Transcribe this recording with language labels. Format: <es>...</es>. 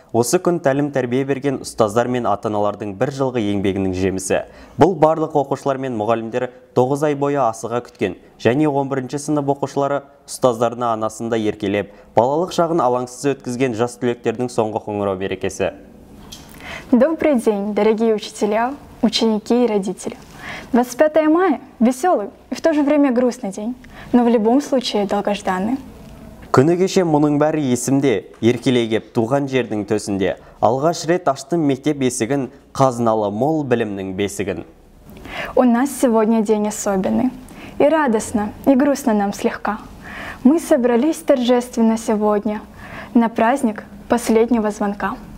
<kk>Осы күн тәлім тәрбие берген ұстаздар мен ата-аналардың бір жылғы еңбегінің жемісі. Бұл барлық оқушылар мен мұғалімдер 9 ай бойы асыға күткен, және 11-ші сынып оқушылары ұстаздарына анасында еркелеп, балалық шағын алаңсыз өткізген жас түлектердің соңғы қоңырау берекесі.</kk> <ru>Добрый день, дорогие учителя, ученики и родители. 25 мая – веселый и в то же время грустный день, но в любом случае долгожданный.</ru> <kk>Күні кеше мұның бәрі есімде, еркелегеп туған жердің төсінде, алғаш рет аштым мектеп есігін, қазыналы мол білімнің бесігін.</kk> <ru>У нас сегодня день особенный. И радостно, и грустно нам слегка. Мы собрались торжественно сегодня, на праздник последнего звонка.</ru>